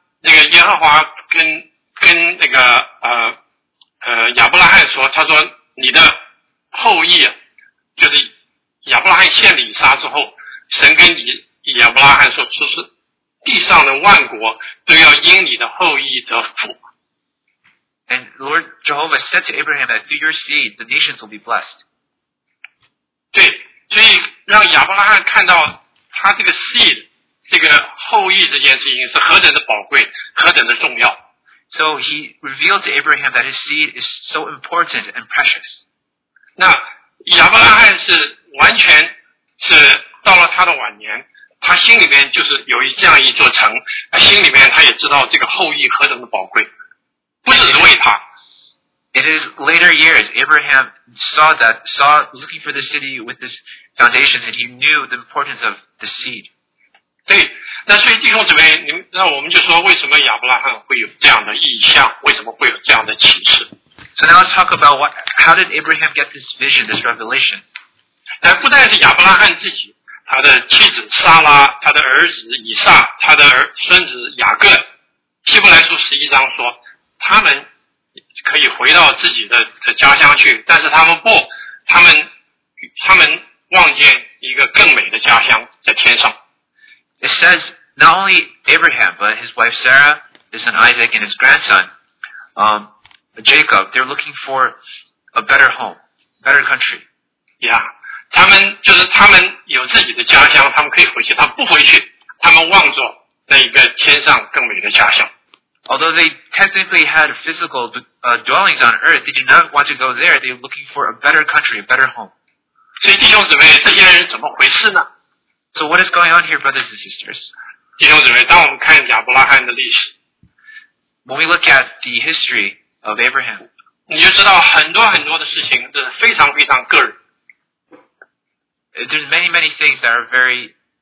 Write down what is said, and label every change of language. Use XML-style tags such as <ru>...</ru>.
<zh>那个耶和华跟那个亚伯拉罕说，他说你的后裔，就是亚伯拉罕献礼杀之后，神跟你亚伯拉罕说，就是地上的万国都要因你的后裔得福。</zh> <en>And Lord Jehovah said to Abraham that through your seed the nations will be blessed.</en> <zh>对。所以让亚伯拉罕看到他这个 seed 这个后裔这件事情是何等的宝贵，何等的重要。</zh> <en>So he revealed to Abraham that his seed is so important and precious.</en> <zh>那亚伯拉罕是完全是到了他的晚年，他心里面就是有这样一座城，心里面他也知道这个后裔何等的宝贵，不只是为他。</zh> <en>In his later years, Abraham saw looking for the city with this foundation, and he knew the importance of the seed.</en> <zh>对，那所以弟兄姊妹，那我们就说，为什么亚伯拉罕会有这样的意象，为什么会有这样的启示？</zh> <en>So now let's talk about how did Abraham get this vision, this revelation?</en> <zh>那不但是亚伯拉罕自己，他的妻子撒拉，他的儿子以撒，他的孙子雅各，希伯来书十一章说，他们可以回到自己的家乡去，但是他们不，他们望见一个更美的家乡在天上。</zh> <en>It says not only Abraham but his wife Sarah, his son Isaac, and his grandson, Jacob. They're looking for a better home, better country.</en> <zh>Yeah, 他们就是他们有自己的家乡，他们可以回去。他们不回去，他们望着那一个天上更美的家乡。</zh> <en>Although they technically had physical dwellings on earth, they did not want to go there. They were looking for a better country, a better home.</en> <zh>所以弟兄姊妹，这些人怎么回事呢？</zh> <en>So what is going on here, brothers and sisters?</en> <zh>弟兄姊妹，当我们看亚伯拉罕的历史，</zh> <en>When we look at the history of Abraham,</en> <zh>你就知道很多很多的事情是非常非常个人。</zh> <en>There's many, many things that are very</en>